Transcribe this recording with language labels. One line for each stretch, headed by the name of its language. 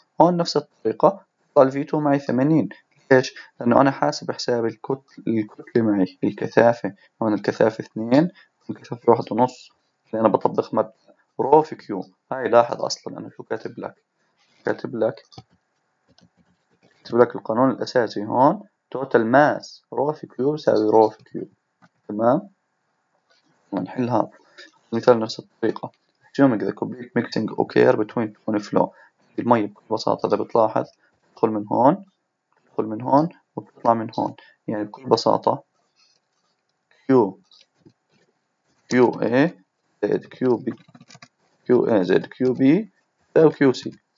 Arabic: هون نفس الطريقة، طال في 2 معي 80. ليش؟ لأنه أنا حاسب حساب الكتلة معي، الكثافة، هون الكثافة 2 والكثافة 1.5، اللي أنا بطبق مبدأ رو في كيو. هاي لاحظ أصلاً أنا شو كاتب لك؟ كاتب لك القانون الأساسي هون، توتال ماس رو في كيو يساوي رو في كيو. تمام؟ ونحل هذا. مثال نفس الطريقة.
English: Assuming the complete mixing occur between two flow.
Arabic: المي بكل بساطة إذا بتلاحظ تدخل من هون، تدخل من هون، وتطلع من هون. يعني بكل بساطة QA زائد QB، QA زائد QB زائد QC.